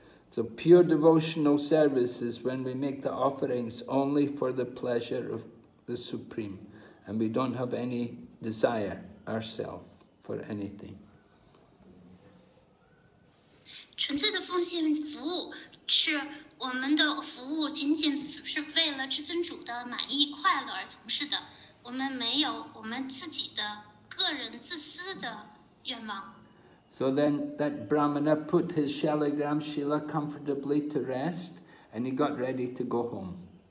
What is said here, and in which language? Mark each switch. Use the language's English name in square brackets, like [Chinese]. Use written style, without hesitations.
[English] So pure devotional service is when we make the offerings only for the pleasure of the Supreme, and we don't have any desire ourselves for anything. [Chinese] 纯粹的奉献服务是我们的服务仅仅是为了至尊主的满意快乐而从事的，我们没有我们自己的个人自私的愿望。 [English] So then that Brahmana put his Shaligram Shila comfortably to rest, and he got ready to go home.